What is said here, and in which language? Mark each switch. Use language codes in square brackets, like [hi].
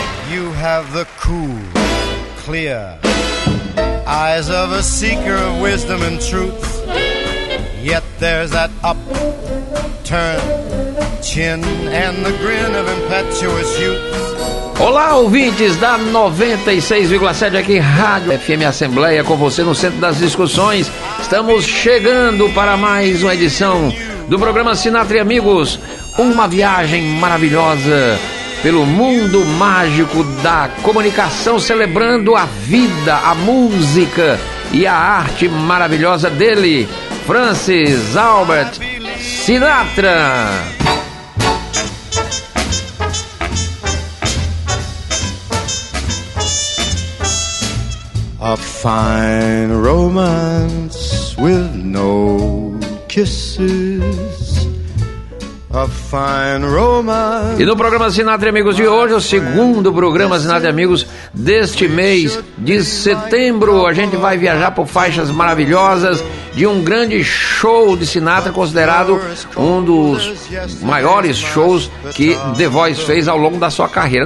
[en] You have the cool, clear eyes of a seeker of wisdom and truth. Yet there's that upturned chin and the grin of impetuous youth. [pt] Olá, ouvintes da 96,7 aqui, Rádio FM Assembleia, com você no centro das discussões. Estamos chegando para mais uma edição do programa Sinatra e Amigos, uma viagem maravilhosa pelo mundo mágico da comunicação, celebrando a vida, a música e a arte maravilhosa dele, Francis Albert Sinatra. [en] A fine romance with no kisses. A fine romance. [pt] E no programa Sinatra e Amigos de hoje, o segundo programa Sinatra e Amigos deste mês de setembro, a gente vai viajar por faixas maravilhosas de um grande show de Sinatra, considerado um dos maiores shows que The Voice fez ao longo da sua carreira.